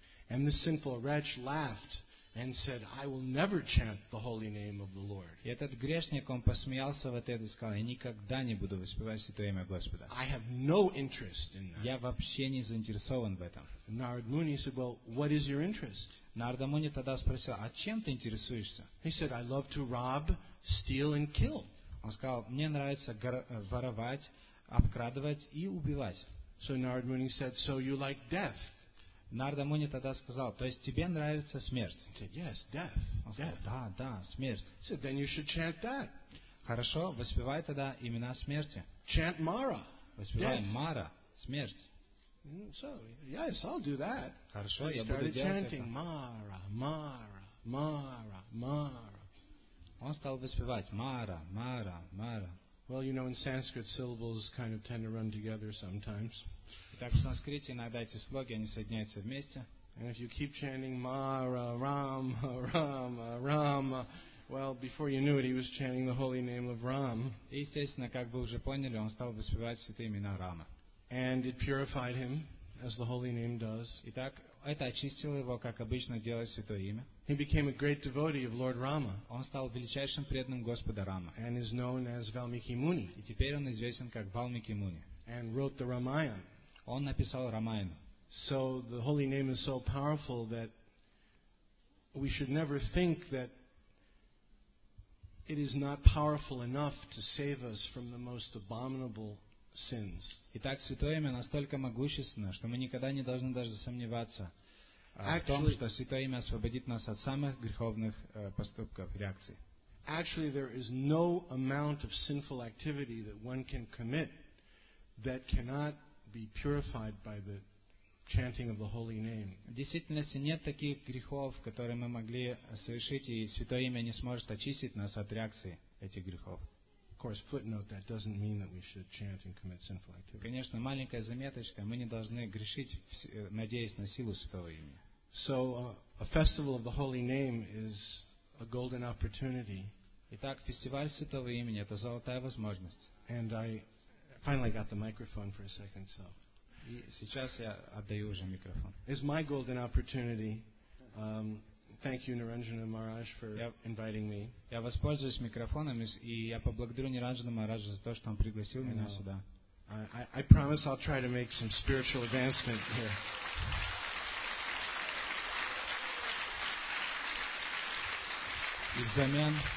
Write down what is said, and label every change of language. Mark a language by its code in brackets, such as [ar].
[en] And the sinful wretch laughed and said, I will never chant the holy name of the Lord. [ru] И этот грешник, он посмеялся в ответ и сказал, я никогда не буду воспевать святое имя Господа. [en] I have no interest in that. [ru] Я вообще не заинтересован в этом. [en] Нарада Муни said, well, what is your interest? [ru] Нарада Муни тогда спросил, а чем ты интересуешься? [en] He said, I love to rob, steal and kill. [ru] Он сказал, мне нравится воровать, обкрадывать и убивать. [en] So Narada Muni said, so you like death? [ru] Нарада Муни тогда сказал, то есть тебе нравится смерть? [en] He said, yes, death. [ru] Он сказал, [en] death. [ru] Да, да, смерть. [en] He said, then you should chant that. [ru] Хорошо, воспевай тогда имена смерти. [en] Chant Mara. [ru] Воспевай Мара, смерть. [en] So, yes, I'll do that. [ru] Хорошо, [en] he started chanting, Mara, Mara, Mara, Mara. [ru] Он стал воспевать, Mara, Mara, Mara. [en] Well, you know, in Sanskrit, syllables kind of tend to run together sometimes. [ru] Итак, в санскрите иногда эти слоги, они соединяются вместе. [en] And if you keep chanting, Mara, Rama, Rama, Rama, well, before you knew it, he was chanting the holy name of Ram. [ru] И, естественно, как вы уже поняли, он стал воспевать святые имена Рама. [en] And it purified him, as the holy name does. [ru] Итак, это очистило его, как обычно делает святое имя. [en] He became a great devotee of Lord Rama. [ru] Он стал величайшим преданным Господа Рама. [en] And is known as Valmiki Muni. [ru] И теперь он известен как Валмики Муни. [en] And wrote the Ramayana. [ru] Он написал Рамаяну. [en] So the holy name is so powerful that we should never think that it is not powerful enough to save us from the most abominable sins. [ru] Итак, святое имя настолько могущественно, что мы никогда не должны даже сомневаться в том, что святое имя освободит нас от самых греховных поступков, реакций. [en] Actually, there is no amount of sinful activity that one can commit that cannot be purified by the chanting of the holy name. [ru] В действительности нет таких грехов, которые мы могли совершить, и святое имя не сможет очистить нас от реакции этих грехов. [en] Of course, footnote, that doesn't mean that we should chant and commit sinful activity. [ru] Конечно, маленькая заметочка, мы не должны грешить, надеясь на силу святого имени. [en] So, a festival of the holy name is a golden opportunity [ru] Итак, фестиваль Святого Имени — это золотая возможность. [en] And I finally got the microphone for a second, so. [ru] И сейчас я отдаю уже микрофон. [en] It's my golden opportunity. Thank you, Niranjana Maharaj, for inviting me. [ru] Я воспользуюсь микрофоном, и я поблагодарю Ниранджана Махараджа за то, что он пригласил меня сюда. [en] I promise I'll try to make some spiritual advancement here.